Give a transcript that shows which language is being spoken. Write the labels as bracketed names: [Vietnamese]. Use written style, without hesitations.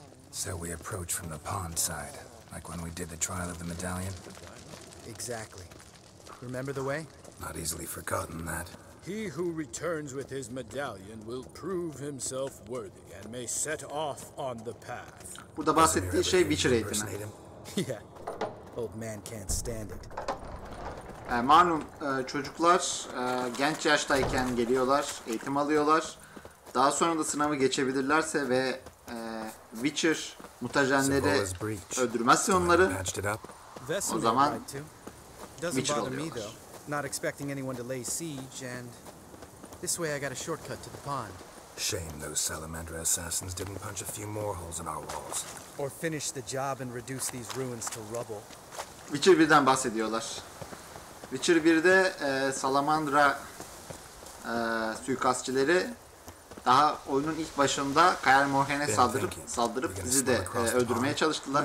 [English] So we approach from the pond side, like when we did the trial of the medallion? Exactly. Remember the way? Not easily forgotten that. He who returns with his medallion will prove himself worthy and may set off on the path. [Turkish] Burada bahsettiği şey Witcher 8'in. [English] Yeah. Old man can't stand it. [Turkish] Malum çocuklar genç yaştayken geliyorlar, eğitim alıyorlar. Daha sonra da sınavı geçebilirlerse ve Witcher mutajenleri öldürmezse onları, o zaman Witcher oluyorlar. [English] Not expecting anyone to lay siege, and this way I got a shortcut to the pond. Shame those salamander assassins didn't punch a few more holes in our walls. Or finish the job and reduce these ruins to rubble. [Turkish] Witcher 1'den bahsediyorlar. Witcher 1'de salamandra suikastçileri daha oyunun ilk başında Kaer Morhen'e saldırıp bizi de öldürmeye çalıştılar.